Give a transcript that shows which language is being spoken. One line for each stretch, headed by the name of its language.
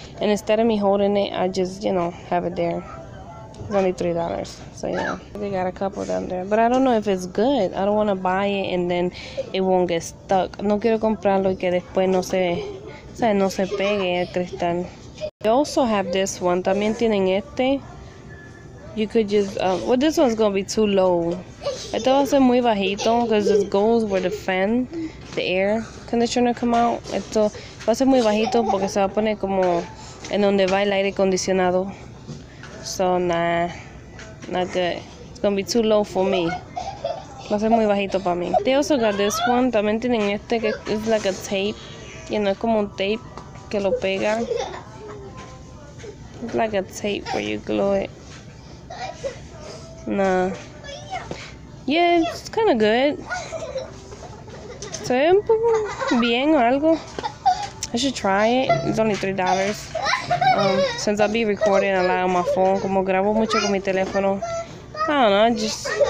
English: And instead of me holding it, I just, you know, have it there. It's only $3. So yeah, they got a couple down there. But I don't know if it's good. I don't want to buy it and then it won't get stuck.
Spanish: No quiero comprarlo y que después no se, o sea, no se pegue el cristal.
English: They also have this one.
Spanish: También tienen este.
English: You could just, well, this one's gonna be too low.
Spanish: Esto va a ser muy bajito
English: because this goes where the fan, the air conditioner come out.
Spanish: Esto va a ser muy bajito porque se va a poner como en donde va el aire acondicionado.
English: So nah, not good. It's gonna be too low for me.
Spanish: Va a ser muy bajito para mí.
English: They also got this one.
Spanish: También tienen este que es
English: like a tape.
Spanish: Y no es como un tape que lo pega.
English: It's like a tape where you glue it. Nah. Yeah, it's kind of good.
Spanish: Se ve bien o algo.
English: I should try it. It's only $3. Since I'll be recording a lot on my phone,
Spanish: como grabo mucho con mi teléfono,
English: I don't know.